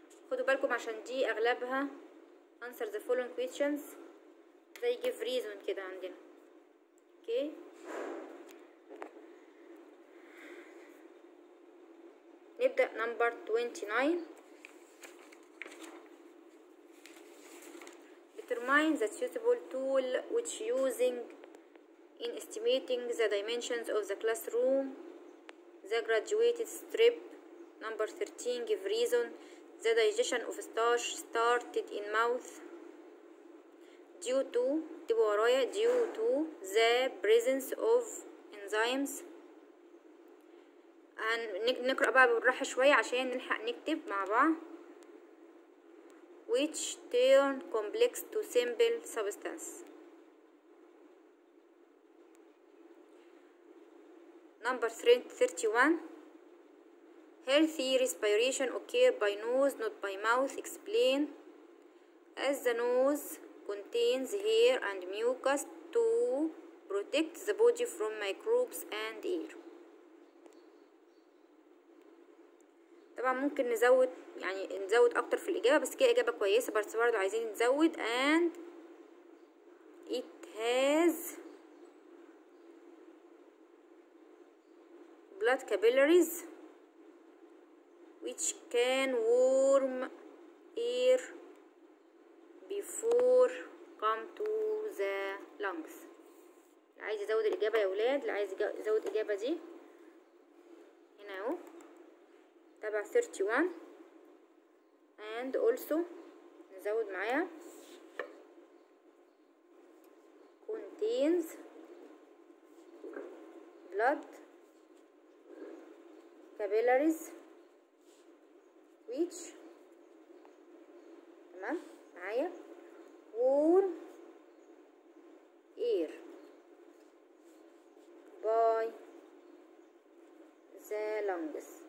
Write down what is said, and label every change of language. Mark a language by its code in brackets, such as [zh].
[ar] خدوا بالكم عشان دي اغلبها [en] answer the following questions [ar] زي [en] give reason [ar] كده عندنا. اوكي نبدأ [en] number 29. Determine the suitable tool which using in estimating the dimensions of the classroom. The graduated strip. Number 13, give reason. The digestion of starch started in mouth. Due to the presence of enzymes. [ar] هنقرأ بقى بالراحة شوية عشان نلحق نكتب مع بعض. [en] Which turn complex to simple substance. Number 31. Healthy respiration occurs by nose, not by mouth. Explain. As the nose contains hair and mucus to protect the body from microbes and air. [ar] طبعا ممكن نزود يعني نزود اكتر في الاجابه بس كده اجابه كويسه بس برضو عايزين نزود. [en] and it has blood capillaries which can warm air before come to the lungs. [ar] عايز ازود الاجابه يا اولاد اللي عايز ازود الاجابه دي هنا اهو تبع 31 [en] and also [ar] نزود معايا [en] contains blood capillaries which [ar] تمام معايا [en] warm air by the lungs.